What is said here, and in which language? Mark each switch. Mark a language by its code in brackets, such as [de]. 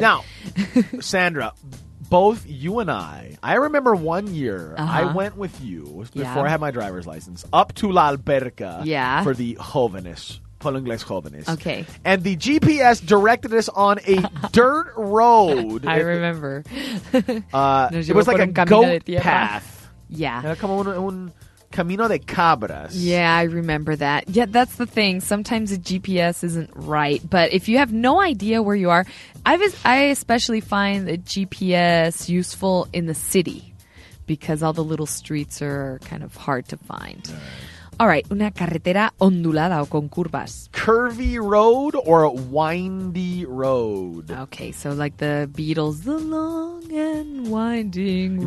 [en] Now, Sandra, both you and I remember one year I went with you before I had my driver's license up to La Alberca for the jóvenes. Polingles jóvenes. Okay. And the GPS directed us on a dirt road. I remember. it was like a goat path. Yeah. [es] Era como un camino de cabras. [en] Yeah, I remember that. Yeah, that's the thing. Sometimes the GPS isn't right. But if you have no idea where you are, I especially find the GPS useful in the city because all the little streets are kind of hard to find. [es] All right, una carretera ondulada o con curvas. [en] Curvy road or windy road? Okay, so like the Beatles, the long and winding road.